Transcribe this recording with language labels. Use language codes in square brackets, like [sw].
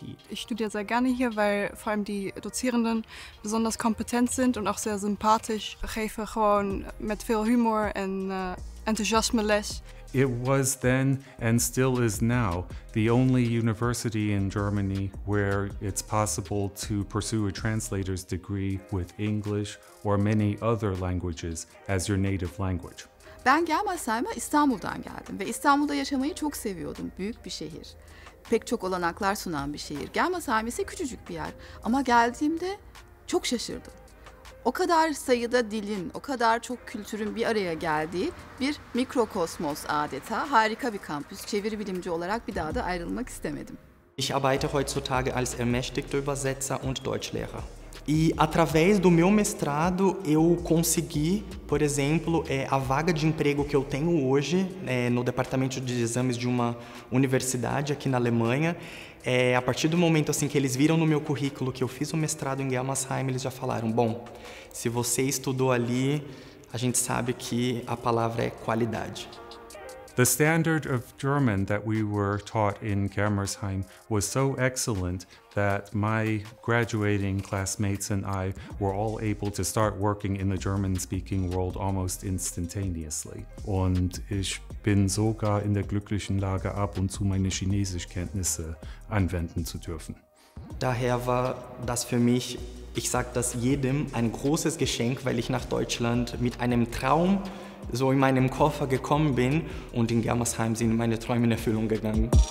[de] Ich studiere sehr gerne hier, weil vor allem die Dozierenden besonders kompetent sind und auch sehr sympathisch. Ich gebe mit viel Humor und Enthusiasme Lehre. [en] It was then and still is now the only university in Germany where it's possible to pursue a translator's degree with English or many other languages as your native language. [tr] Ben Germersheim'e İstanbul'dan geldim ve İstanbul'da yaşamayı çok seviyordum. Büyük bir şehir. Pek çok olanaklar sunan bir şehir. Germersheim ise küçücük bir yer. Ama geldiğimde çok şaşırdım. O kadar sayıda dilin, o kadar çok kültürün bir araya geldiği bir mikrokosmos adeta. Harika bir kampüs. Çeviri bilimci olarak bir daha da ayrılmak istemedim. [de] Ich arbeite heutzutage als ermächtigter Übersetzer und Deutschlehrer. [pt] E através do meu mestrado eu consegui, por exemplo, a vaga de emprego que eu tenho hoje no departamento de exames de uma universidade aqui na Alemanha. A partir do momento assim que eles viram no meu currículo que eu fiz o mestrado em Germersheim, eles já falaram: bom, se você estudou ali, a gente sabe que a palavra é qualidade. [en] The standard of German that we were taught in Germersheim was so excellent that my graduating classmates and I were all able to start working in the German-speaking world almost instantaneously. [de] Und ich bin sogar in der glücklichen Lage, ab und zu meine Chinesischkenntnisse anwenden zu dürfen. Daher war das für mich, ich sage das jedem, ein großes Geschenk, weil ich nach Deutschland mit einem Traum so in meinem Koffer gekommen bin und in Germersheim sind meine Träume in Erfüllung gegangen.